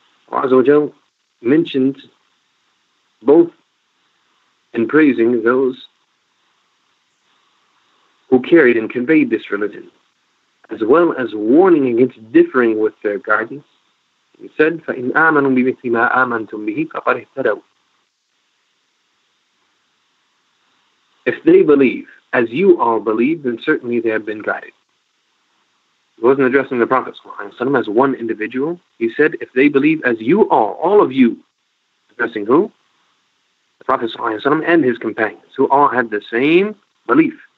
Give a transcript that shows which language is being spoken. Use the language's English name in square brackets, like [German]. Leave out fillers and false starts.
[English] Allah Azza wa Jal mentioned both in praising those who carried and conveyed this religion, as well as warning against differing with their guidance. He said, [Arabic] فَإِنْ آمَنُوا بِمِثْلِ مَا آمَنْتُمْ بِهِ فَقَدْ اهْتَدَوْا. [English] If they believe as you all believe, then certainly they have been guided. He wasn't addressing the Prophet ﷺ as one individual. He said, if they believe as you all of you, addressing who? The Prophet ﷺ and his companions, who all had the same belief.